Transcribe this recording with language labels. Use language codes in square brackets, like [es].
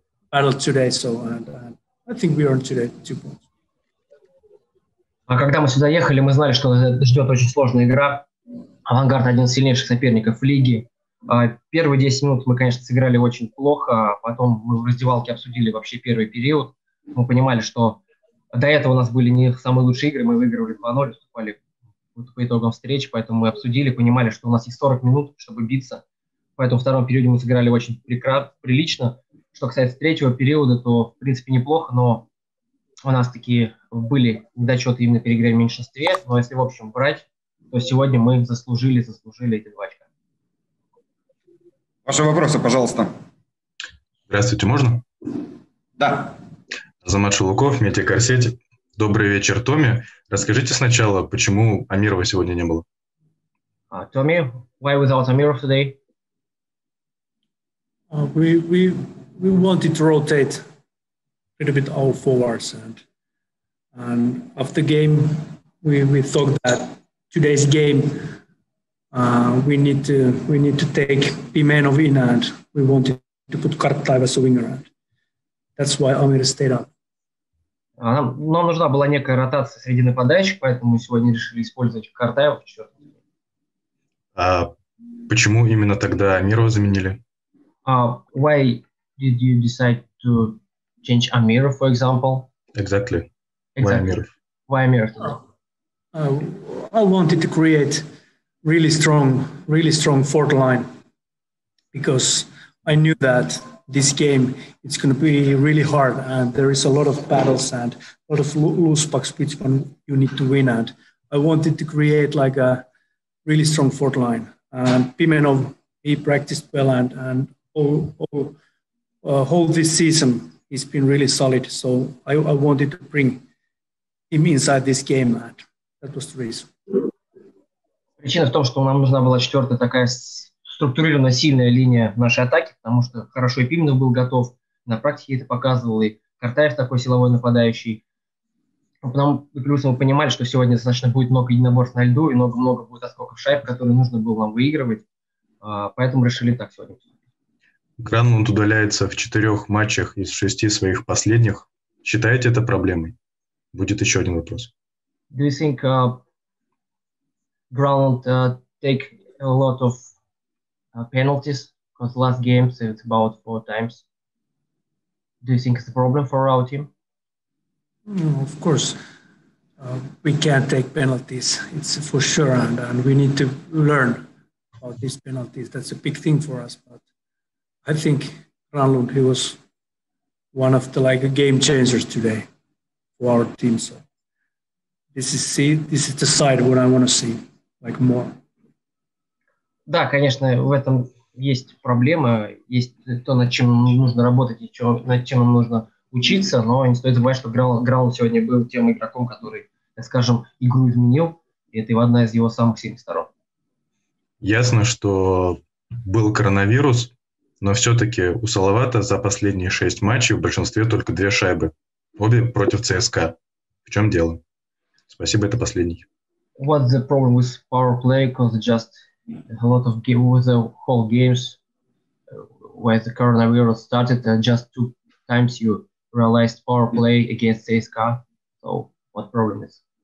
[en] Battle today, so and I think we earned today 2 points. [ru] А когда мы сюда ехали, мы знали, что ждет очень сложная игра. Авангард один из сильнейших соперников лиги. Первые 10 минут мы, конечно, сыграли очень плохо, потом мы в раздевалке обсудили вообще первый период. Мы понимали, что до этого у нас были не самые лучшие игры, мы выигрывали 2-0, уступали вот по итогам встречи, поэтому мы обсудили, понимали, что у нас есть 40 минут, чтобы биться. Поэтому в втором периоде мы сыграли очень прилично. Что касается третьего периода, то, в принципе, неплохо, но у нас такие были недочеты именно при игре в меньшинстве. Но если, в общем, брать, то сегодня мы заслужили эти 2 очка. Ваши вопросы, пожалуйста. Здравствуйте, можно? Да. Азамат Шулуков, Метя Корсети. Добрый вечер, Томми. Расскажите сначала, почему Амирова сегодня не было? [en] Томми, why without Амиров today? We wanted to rotate a little bit our forwards. And after game, we thought that today's game we need to take Pimenov in, and we wanted to put Karttaev as a winger. That's why Amir stayed up. [ru] Нам нужна была некая ротация среди нападающих, поэтому мы сегодня решили использовать Karttaev. А почему именно тогда Амирова заменили? [en] Why did you decide to change Amir, for example? Exactly. Why Amir? I wanted to create really strong fourth line, because I knew that this game, it's going to be really hard, and there is a lot of battles and a lot of loose pucks which one you need to win, and I wanted to create like a really strong fourth line. And Pimenov, he practiced well, and whole this season he's been really solid, so I wanted to bring him inside this game, and that was the reason. [ru] Причина в том, что нам нужна была четвертая такая структурированная сильная линия нашей атаки, потому что хорошо и Пименов был готов, на практике это показывал, и Карташев такой силовой нападающий. Плюс мы понимали, что сегодня достаточно будет много единоборств на льду, и много будет отскоков шайб, которые нужно было нам выигрывать, поэтому решили так сегодня. Гранлунд удаляется в 4 матчах из 6 своих последних. Считаете это проблемой? Будет еще один вопрос. [en] Do you think Гранлунд take a lot of penalties, because last game so it's about 4 times. Do you think it's a problem for our team? Of course, we can't take penalties. It's for sure, and we need to learn about these penalties. That's a big thing for us. But I think Gralund, he was one of the like game changers today for our team. So this is the side what I want to see. Like more. [ru] Да, конечно, в этом есть проблема, есть то, над чем нужно работать и над чем нужно учиться, но не стоит забывать, что Гранлунд сегодня был тем игроком, который, так скажем, игру изменил, и это одна из его самых сильных сторон. Ясно, что был коронавирус, но все-таки у Салавата за последние 6 матчей в большинстве только 2 шайбы, обе против ЦСКА. В чем дело? Спасибо, это последний. [en] What's the problem with power play? Because just a lot of games, with the whole games, where the coronavirus started, and just 2 times you realized power play against CSKA. So what problem is.